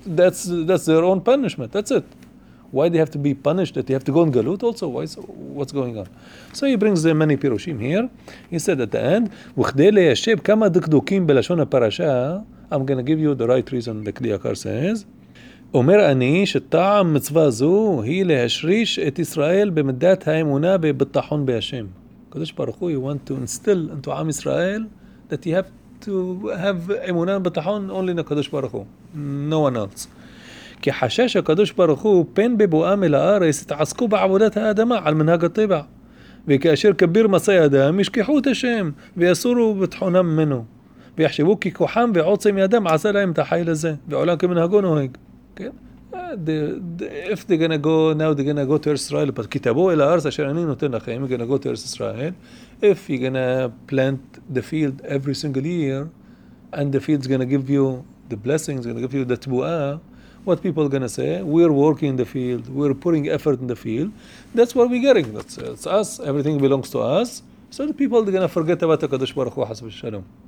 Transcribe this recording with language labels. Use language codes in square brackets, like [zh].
[en] That's their own punishment, that's it. Why they have to be punished that they have to go in Galut also? Why? So what's going on? So he brings the many Pirushim here. He said at the end, [he] וכדי ליישב כמה דקדוקים בלשון הפרשה, [en] I'm going to give you the right reason, the Kli Akar says. [he] אומר אני שטעם מצווה זו היא להשריש את ישראל במדת האמונה בביטחון בהשם. [en] קדוש ברוך הוא, you want to instill into עם ישראל that you have to have אמונה בביטחון only in הקדוש ברוך הוא, no one else. [he] כי חשש הקדוש ברוך הוא פן בבואם אל הארץ התעסקו בעבודת האדמה על מנהג הטבע. וכאשר כביר מסע ידם ישכחו את השם ויסורו בתחונם ממנו. ויחשבו כי כוחם ועוצם ידם עשה להם את החיל הזה, ועולם כמנהגו נוהג. כן? [en] If they're going to go, now they're going to go to Israel, but [he] כתבו אל הארץ אשר אני נותן לכם, [en] you're going to go to Israel, if you're going to plant the field every single year, and the field's going to give you the blessings, going to give you the tbu'ah, what people are going to say, we're working in the field, we're putting effort in the field, that's what we're getting, that's us, everything belongs to us, so the people are going to forget about the Kadosh Baruch Hu, Hasbush Shalom.